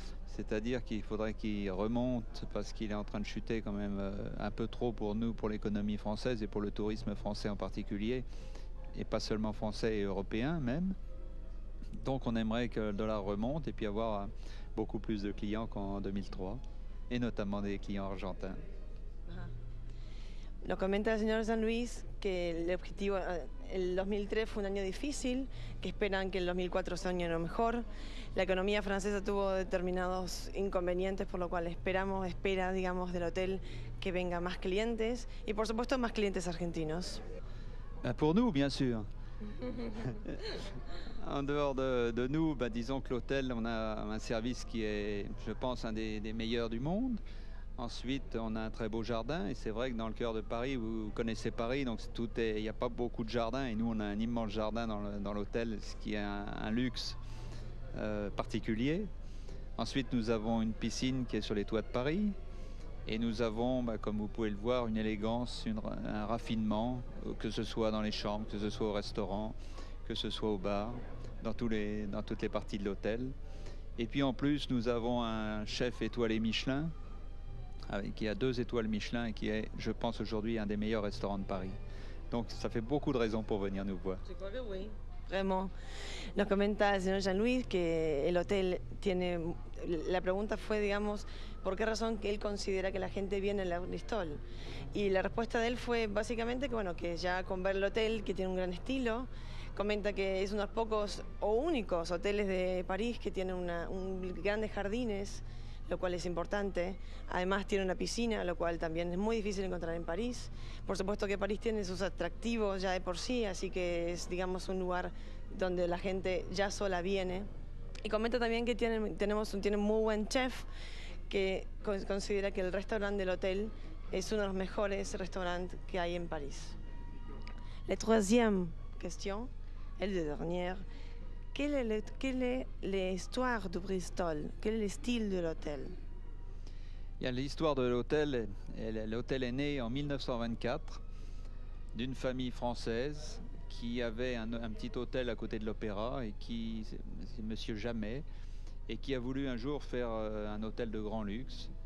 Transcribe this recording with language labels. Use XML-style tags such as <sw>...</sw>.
<fr>C'est-à-dire qu'il faudrait qu'il remonte parce qu'il est en train de chuter quand même un peu trop pour nous, pour l'économie française et pour le tourisme français en particulier. Et pas seulement français et européen même. Donc on aimerait que le dollar remonte et puis avoir beaucoup plus de clients qu'en 2003. Et notamment des clients argentins.</fr> <es>Lo comenta el señor San Luis que el objetivo, el 2003 fue un año difícil, que esperan que el 2004 sea un año mejor. La economía francesa tuvo determinados inconvenientes, por lo cual espera, digamos, del hotel que venga más clientes y, por supuesto, más clientes argentinos.</es> <fr>Pour nous, bien sûr. en dehors de nous, bah, disons que l'hôtel, on a un service qui est, je pense, un des meilleurs du monde. Ensuite, on a un très beau jardin. Et c'est vrai que dans le cœur de Paris, vous connaissez Paris, donc tout est, il n'y a pas beaucoup de jardins. Et nous, on a un immense jardin dans l'hôtel, ce qui est un luxe particulier. Ensuite, nous avons une piscine qui est sur les toits de Paris. Et nous avons, bah, comme vous pouvez le voir, une élégance, un raffinement, que ce soit dans les chambres, que ce soit au restaurant, que ce soit au bar, dans toutes les parties de l'hôtel. Et puis en plus, nous avons un chef étoilé Michelin, qui a 2 étoiles Michelin, et qui est, je pense, aujourd'hui un des meilleurs restaurants de Paris. Donc ça fait beaucoup de raisons pour venir nous voir. Je crois que oui, vraiment.</fr> <es>Nos comenta el señor Jean-Louis que el hotel tiene... La pregunta fue, digamos, ¿por qué razón que él considera que la gente viene al Bristol? Y la respuesta de él fue básicamente que, bueno, que ya con ver el hotel, que tiene un gran estilo, comenta que es uno de los pocos o únicos hoteles de París que tiene grandes jardines, lo cual es importante. Además tiene una piscina, lo cual también es muy difícil encontrar en París. Por supuesto que París tiene sus atractivos ya de por sí, así que es, digamos, un lugar donde la gente ya sola viene. Y comenta también que tiene muy buen chef, que considera que el restaurante del hotel es uno de los mejores restaurantes que hay en París.</es> <fr>La troisième question, el de dernière, quelle est l'histoire de Bristol? Quel est le style de l'hôtel? L'histoire de l'hôtel, l'hôtel est né en 1924 d'une famille française qui avait un petit hôtel à côté de l'opéra, et qui, c'est Monsieur Jamet, et qui a voulu un jour faire un hôtel de grand luxe.</fr>